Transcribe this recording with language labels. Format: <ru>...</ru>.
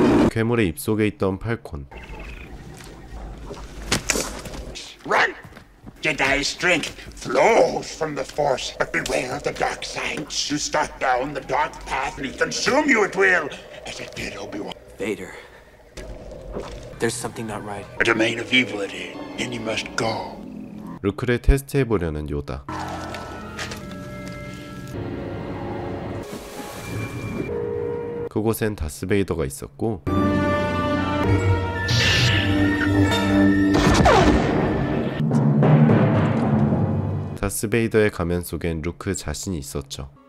<ko>괴물의 입속에 있던 팔콘.</ko> <en>Run! Jedi strength flows from the force, but beware of the dark side. You start down the dark path and it consume you it will, as it did Obi-Wan. Vader, there's something not right. A domain of evil it is, and you must go.</en> <ko>루크를 테스트해보려는 요다. (목소리) 그곳엔 다스베이더가 있었고 다스베이더의 가면 속엔 루크 자신이 있었죠.</ko>